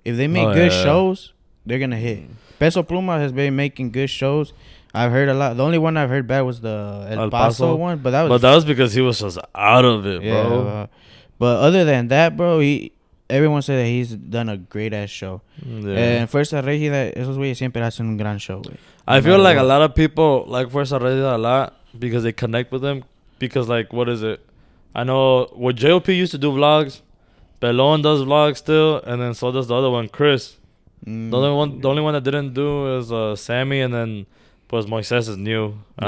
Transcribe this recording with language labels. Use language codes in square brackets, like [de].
[en] If they make good shows, they're going to hit. Peso Pluma has been making good shows. I've heard a lot. The only one I've heard bad was the El Paso one. But that was because he was just out of it, yeah, bro. But other than that, bro, everyone said that he's done a great-ass show. Yeah. [es] And Fuerza Regida, esos güeyes siempre hacen un gran show. [en] I feel like a lot of people like Fuerza Regida a lot because they connect with them. Because, like, what is it? I know what JLP used to do vlogs. Belon does vlogs still, and then so does the other one, Chris. The only one that didn't do is Sammy, and then plus Moises is new. Yeah.